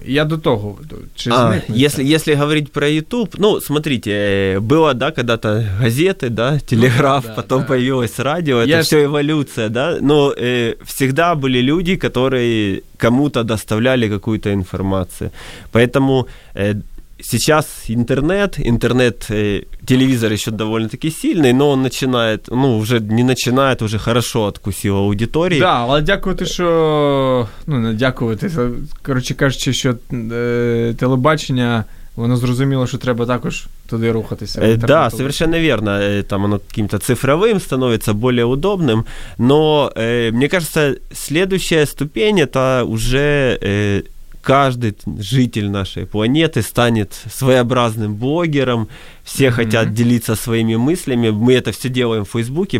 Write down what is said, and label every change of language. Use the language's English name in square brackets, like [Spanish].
[Ukrainian] І я до того. Чи якщо говорити про Ютуб, ну, [Russian] смотрите, [Ukrainian] було, да, [Russian] когда-то [Ukrainian] газети, да, телеграф, ну, да, потім появилось радіо, це все еволюція, да? Ну, [Russian] всегда [Ukrainian] були люди, які [Russian] кому-то доставляли какую-то [Ukrainian] інформацію. [Russian] Поэтому сейчас интернет, телевизор еще довольно-таки сильный, но он начинает, ну, уже не начинает, уже хорошо откусил аудиторию. [Ukrainian] Да, але дякувати, що, ну, не дякувати, короче, кажучи, що телебачення, воно зрозуміло, що треба також туди рухатися. [Russian] Да, совершенно верно, там оно каким-то цифровым становится, более удобным, но, мне кажется, следующая ступень, это уже каждый житель нашей планеты станет своеобразным блогером. Все хотят делиться своими мыслями. Мы это все делаем в Фейсбуке.